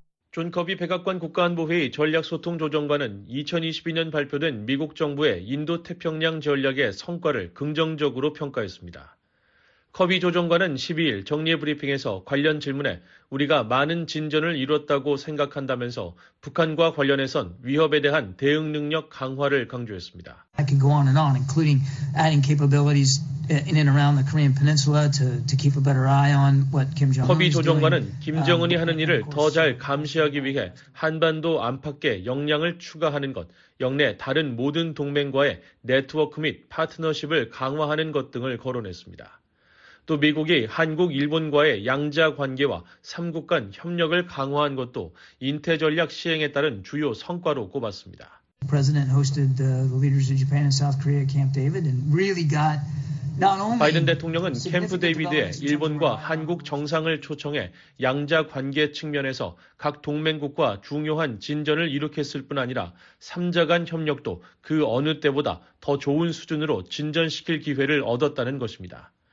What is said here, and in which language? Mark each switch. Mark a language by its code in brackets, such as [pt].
[ko] 존 커비 백악관 국가안보회의 전략소통조정관은 2022년 발표된 미국 정부의 인도태평양 전략의 성과를 긍정적으로 평가했습니다. 커비 조정관은 12일 정례 브리핑에서 관련 질문에 우리가 많은 진전을 이뤘다고 생각한다면서 북한과 관련해선 위협에 대한 대응 능력 강화를 강조했습니다. [en] I can go on and on, including adding capabilities in and around the Korean Peninsula to keep a better eye on what Kim Jong-un. [ko] 커비 조정관은 김정은이 하는 일을 더 잘 감시하기 위해 한반도 안팎의 역량을 추가하는 것, 영내 다른 모든 동맹과의 네트워크 및 파트너십을 강화하는 것 등을 거론했습니다. 또 미국이 한국, 일본과의 양자 관계와 3국 간 협력을 강화한 것도 인태 전략 시행에 따른 주요 성과로 꼽았습니다. [en] President hosted the leaders of Japan and South Korea at Camp David and really got not only [ko] 바이든 대통령은 캠프 데이비드에 일본과 한국 정상을 초청해 양자 관계 측면에서 각 동맹국과 중요한 진전을 일으켰을 뿐 아니라 3자 간 협력도 그 어느 때보다 더 좋은 수준으로 진전시킬 기회를 얻었다는 것입니다.